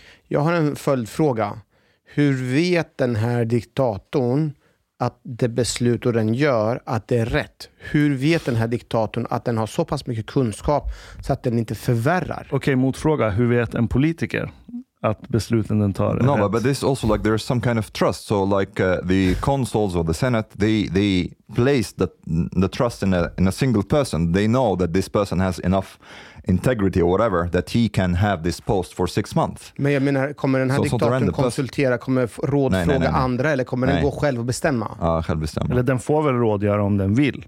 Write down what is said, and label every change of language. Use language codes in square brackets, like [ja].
[sv] Jag har en följdfråga. Hur vet den här diktatorn att det beslut och den gör att det är rätt? Hur vet den här diktatorn att den har så pass mycket kunskap så att den inte förvärrar? Okej, motfråga. Hur vet en politiker att besluten den tar är rätt? [en] No, but this also like there is some kind of trust. So like the consuls or the senate, they place the trust in a single person. They know that this person has enough integrity or whatever that he can have this post for 6 months. [sv] Men jag menar, kommer den här diktatorn konsultera, kommer rådfråga andra eller kommer den gå själv och bestämma? Ja, själv bestämma. Eller den får väl rådgöra om den vill.